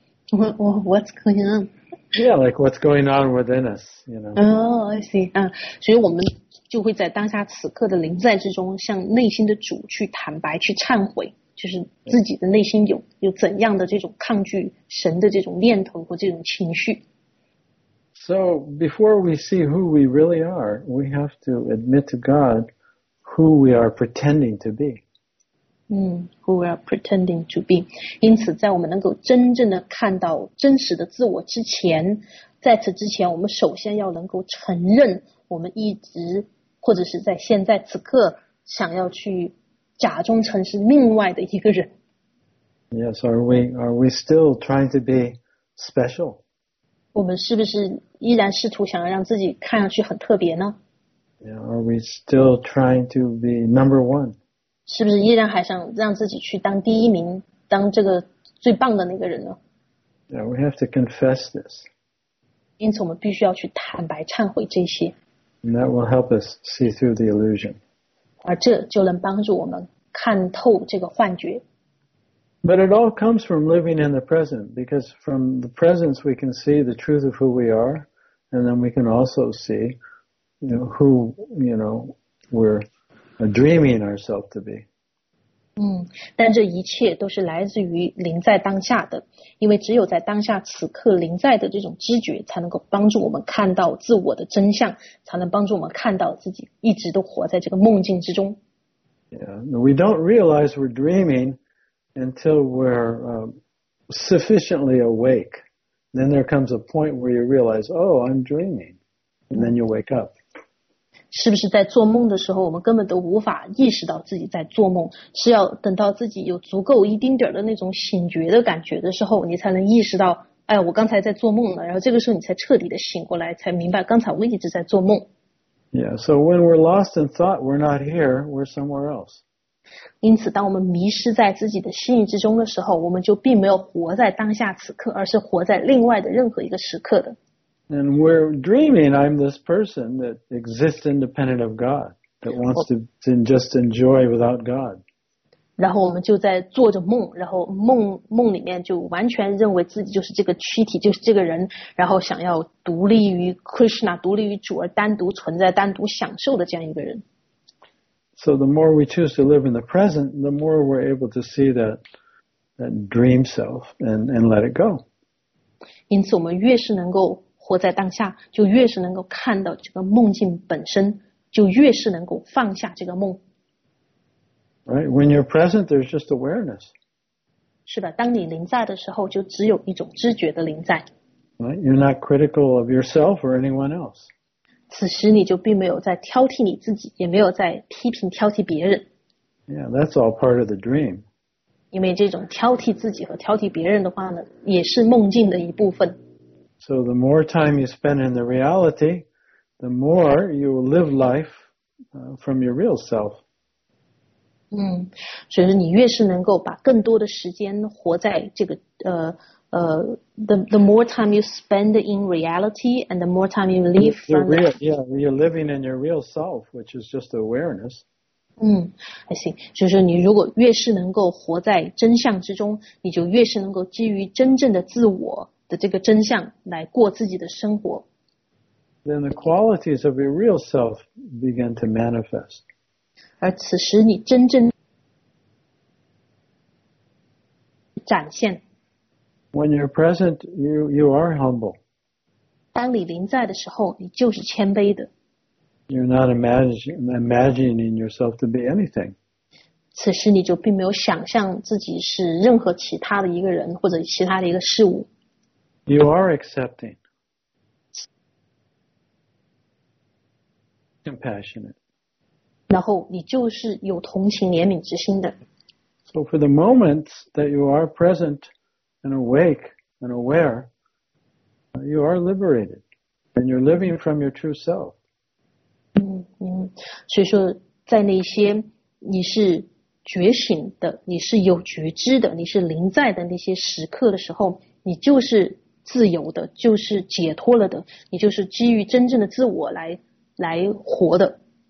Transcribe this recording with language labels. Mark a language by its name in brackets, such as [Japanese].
[English] What's going on? Yeah, like what's going on within us, you know. Oh, I see. [Chinese] 所以我们就会在当下此刻的临在之中向内心的主去坦白去忏悔。就是自己的内心有怎样的这种抗拒神的这种念头或这种情绪。 [English] So before we see who we really are, we have to admit to God who we are pretending to be. Who we are pretending to be. [Chinese] 因此在我们能够真正的看到真实的自我之前，在此之前我们首先要能够承认我们一直或者是在现在此刻想要去假装成是另外的一个人。 [English] Yes, are we still trying to be special? [Chinese] 我们是不是依然试图想要让自己看上去很特别呢？ [English] Yeah, are we still trying to be number one? [Chinese] 是不是依然还想让自己去当第一名，当这个最棒的那个人呢？ [English] Yeah, we have to confess this. [Chinese] 因此我们必须要去坦白忏悔这些。 [English] And that will help us see through the illusion. [Chinese] 而这就能帮助我们看透这个幻觉。 [English] But it all comes from living in the present, because from the presence we can see the truth of who we are, and then we can also see, you know, who, you know, we're dreaming ourselves to be. [Chinese] 但这一切都是来自于临在当下的，因为只有在当下此刻临在的这种知觉，才能够帮助我们看到自我的真相，才能帮助我们看到自己一直都活在这个梦境之中。 [English] Yeah, we don't realize we're dreaming until we're sufficiently awake. Then there comes a point where you realize, oh, I'm dreaming, and then you wake up. [Chinese] 是不是在做梦的时候我们根本都无法意识到自己在做梦，是要等到自己有足够一丁点的那种醒觉的感觉的时候，你才能意识到，哎，我刚才在做梦了，然后这个时候你才彻底的醒过来，才明白刚才我一直在做梦。 [English] Yeah, so when we're lost in thought, we're not here, we're somewhere else. [Chinese] 因此当我们迷失在自己的心意之中的时候，我们就并没有活在当下此刻，而是活在另外的任何一个时刻的。 [English] And we're dreaming, I'm this person that exists independent of God, that wants to just enjoy without God. [Chinese] 然后我们就在做着梦，然后梦里面就完全认为自己就是这个躯体，就是这个人，然后想要独立于 Krishna, 独立于主而单独存在，单独享受的这样一个人。 [English] So the more we choose to live in the present, the more we're able to see that dream self and let it go. [Chinese] 因此我们越是能够活在当下，就越是能够看到这个梦境本身，就越是能够放下这个梦。 [English] Right, when you're present, there's just awareness. [Chinese] 是的，当你临在的时候，就只有一种知觉的临在。 [English] Right, you're not critical of yourself or anyone else. [Chinese] 此时你就并没有在挑剔你自己，也没有在批评挑剔别人。 [English] Yeah, that's all part of the dream. [Chinese] 因为这种挑剔自己和挑剔别人的话呢，也是梦境的一部分。 [English] So the more time you spend in the reality, the more you will live life from your real self. [Chinese] 所以你越是能够把更多的时间活在这个 [English] the more time you spend in reality and the more time you live from you're living in your real self, which is just awareness. I see. [Chinese] 就是你如果越是能够活在真相之中，你就越是能够基于真正的自我的这个真相来过自己的生活。 [English] Then the qualities of your real self begin to manifest. [Chinese] 而此时你真正展现。 [English] When you're present, you are humble. [Chinese] 当你临在的时候，你就是谦卑的。 [English] You're not imagining yourself to be anything. [Chinese] 此时你就并没有想象自己是任何其他的一个人或者其他的一个事物。 [English] You are accepting. Compassionate. [Chinese] 然后你就是有同情怜悯之心的。 [English] So for the moments that you are present and awake and aware, you are liberated. And you're living from your true self. [Chinese] 所以说在那些你是觉醒的，你是有觉知的，你是临在的那些时刻的时候，你就是自由的，就是解脱了的，你就是基于真正的自我来活的。